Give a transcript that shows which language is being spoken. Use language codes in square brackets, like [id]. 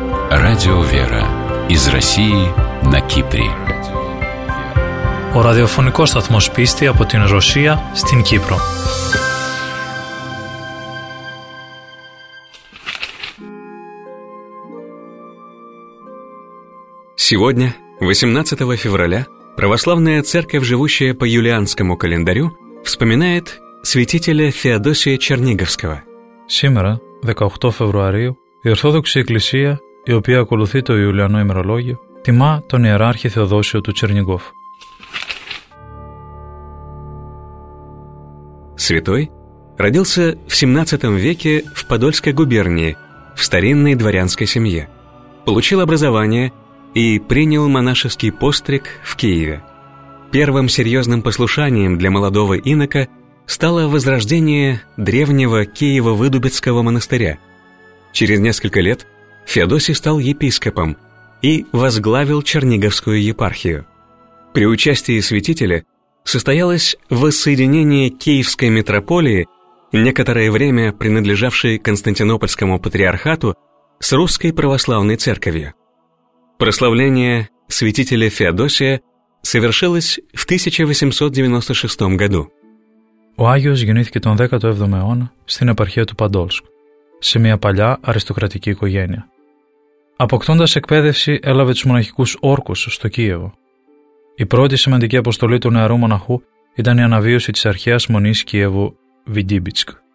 [ru] Радио «Вера» из России на Кипре. [el] Ο ραδιοφωνικός σταθμός πίστη από την Ρωσία στην Κύπρο. [ru] Сегодня, 18 февраля, Православная Церковь, живущая по юлианскому календарю, вспоминает святителя Феодосия Черниговского. Сегодня, 18 февраля, [el] η Ορθόδοξη Εκκλησία, η οποία ακολουθεί το Ιουλιανό ημερολόγιο, τιμά τον Ιεράρχη Θεοδόσιο του Τσερνιγκόφ. [ru] Святой родился в 17 веке в Подольской губернии, в старинной дворянской семье. Получил образование и принял монашеский постриг в Киеве. Первым серьезным послушанием для молодого инока стало возрождение древнего Киево-Выдубицкого монастыря. Через несколько лет Феодосий стал епископом и возглавил Черниговскую епархию. При участии святителя состоялось воссоединение Киевской митрополии, некоторое время принадлежавшей Константинопольскому патриархату, с Русской православной церковью. Прославление святителя Феодосия совершилось в 1896 году. [el] Ο Άγιος γεννήθηκε τον 17ο αιώνα στην επαρχία του Παντόλσκ, σε μια παλιά αριστοκρατική οικογένεια. Αποκτώντας εκπαίδευση, έλαβε τους μοναχικούς όρκους στο Κίεβο. Η πρώτη σημαντική αποστολή του νεαρού μοναχού ήταν η αναβίωση της αρχαίας μονής Κίεβου Βιντίμπιτσκ.